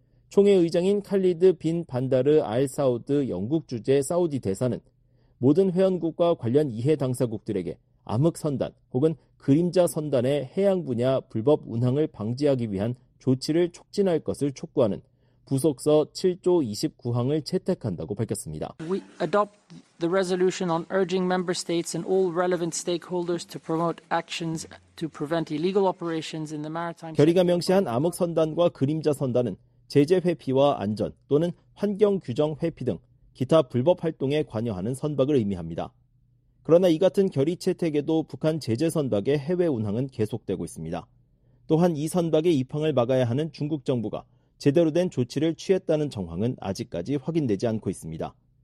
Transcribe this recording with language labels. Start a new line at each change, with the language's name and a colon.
Korean: 총회 의장인 칼리드 빈 반다르 알 사우드 영국 주재 사우디 대사는 모든 회원국과 관련 이해 당사국들에게 암흑선단 혹은 그림자선단의 해양 분야 불법 운항을 방지하기 위한 조치를 촉진할 것을 촉구하는 부속서 7조 29항을 채택한다고 밝혔습니다.
English: We adopt the resolution on urging member states and all relevant stakeholders to promote actions to prevent illegal operations in the maritime.
Korean: 결의가 명시한 암흑선단과 그림자선단은 제재 회피와 안전 또는 환경 규정 회피 등 기타 불법 활동에 관여하는 선박을 의미합니다. 그러나 이 같은 결의 채택에도 북한 제재 선박의 해외 운항은 계속되고 있습니다. 또한 이 선박의 입항을 막아야 하는 중국 정부가 제대로 된 조치를 취했다는 정황은 아직까지 확인되지 않고 있습니다.